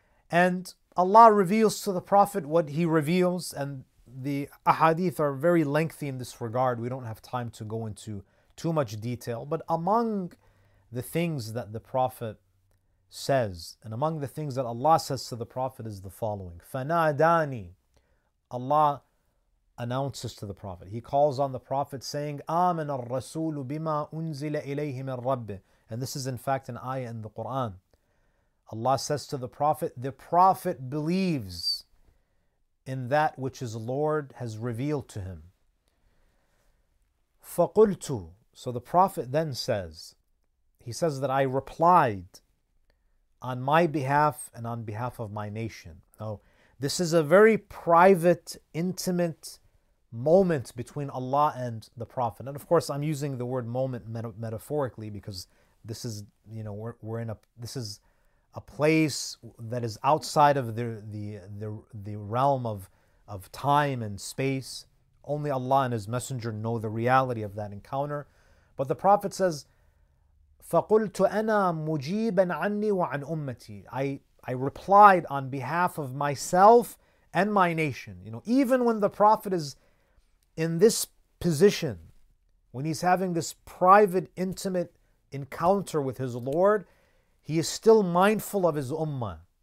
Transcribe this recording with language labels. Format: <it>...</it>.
<en>And Allah reveals to the Prophet what He reveals, and the ahadith are very lengthy in this regard. We don't have time to go into too much detail. But among the things that the Prophet says, and among the things that Allah says to the Prophet, is the following.</en> <ar>فَنَادَانِي.</ar> <en>Allah announces to the Prophet. He calls on the Prophet saying,</en> <ar>آمَنَ الرَّسُولُ بِمَا أُنزِلَ إِلَيْهِ مِنْ رَبِّهِ.</ar> <en>And this is in fact an ayah in the Qur'an. Allah says to the Prophet believes in that which his Lord has revealed to him.</en> <ar>فَقُلْتُ.</ar> <en>So the Prophet then says, he says that I replied on my behalf and on behalf of my nation. Now, this is a very private, intimate moment between Allah and the Prophet. And of course, I'm using the word moment metaphorically, because this is, you know, we're in a, this is a place that is outside of the realm of time and space. Only Allah and His Messenger know the reality of that encounter. But the Prophet says,</en> <ar>فَقُلْتُ أَنَا مُجِيبًا عَنِّي وَعَنْ أُمَّتِي.</ar> <en>I replied on behalf of myself and my nation. You know, even when the Prophet is in this position, when he's having this private, intimate encounter with his Lord, he is still mindful of his ummah.</en>